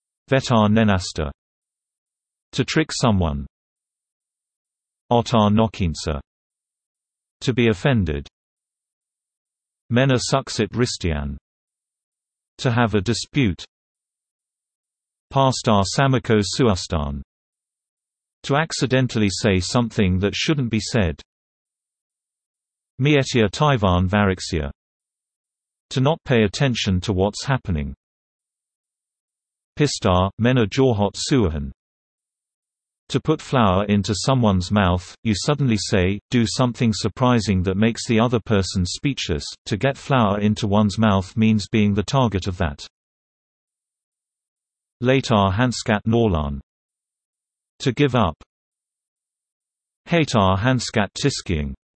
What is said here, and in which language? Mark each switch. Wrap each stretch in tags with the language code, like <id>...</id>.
<fi>Vetää nenästä.</fi> <en>To trick someone.</en> <fi>Ottaa nokinsa.</fi> <en>To be offended.</en> <fi>Mennä suksit ristiin.</fi> <en>To have a dispute.</en> <fi>Päästää sammakko suustaan.</fi> <en>To accidentally say something that shouldn't be said.</en> <fi>Miettiä taivaan variksia.</fi> <en>To not pay attention to what's happening.</en> <fi>Pistää, mennä juohot suuhun.</fi> <en>To put flour into someone's mouth, you suddenly say, do something surprising that makes the other person speechless. To get flour into one's mouth means being the target of that.</en> <fi>Laittaa hanskat naulaan.</fi> <en>To give up.</en> <fi>Heittää hanskat tiskiin.</fi>